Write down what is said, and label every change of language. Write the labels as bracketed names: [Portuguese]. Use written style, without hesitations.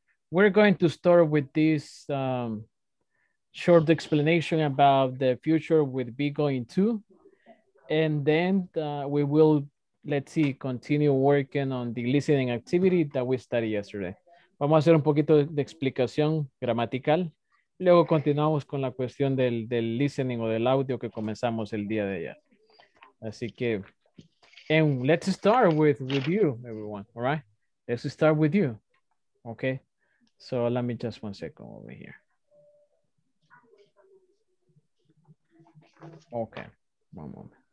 [English] We're going to start with this short explanation about the future with B going to. And then we will, let's see, continue working on the listening activity that we studied yesterday. [Spanish] Vamos a hacer un poquito de explicación gramatical. Luego continuamos con la cuestión del listening o del audio que comenzamos el día de ayer. Así que, [English] and let's start with you, everyone, all right? Let's start with you, okay? So let me just 1 second over here. Okay, one moment.